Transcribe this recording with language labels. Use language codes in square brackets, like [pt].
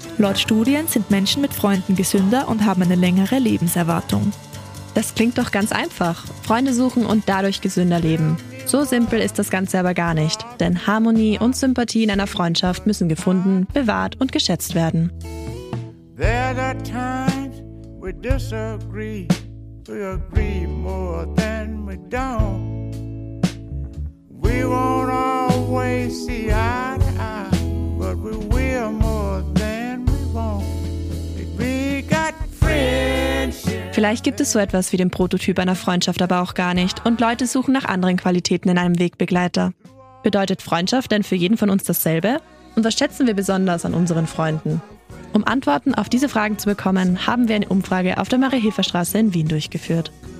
[de] Laut Studien sind Menschen mit Freunden gesünder und haben eine längere Lebenserwartung. Das klingt doch ganz einfach. Freunde suchen und dadurch gesünder leben. So simpel ist das Ganze aber gar nicht. Denn Harmonie und Sympathie in einer Freundschaft müssen gefunden, bewahrt und geschätzt werden. [en] There are times we disagree. We agree more than we don't. We won't always see eye to eye, but we will more than we won't. We got friendship. [de] Vielleicht gibt es so etwas wie den Prototyp einer Freundschaft aber auch gar nicht und Leute suchen nach anderen Qualitäten in einem Wegbegleiter. Bedeutet Freundschaft denn für jeden von uns dasselbe? Und was schätzen wir besonders an unseren Freunden? Um Antworten auf diese Fragen zu bekommen, haben wir eine Umfrage auf der Maria-Hilfer-Straße in Wien durchgeführt.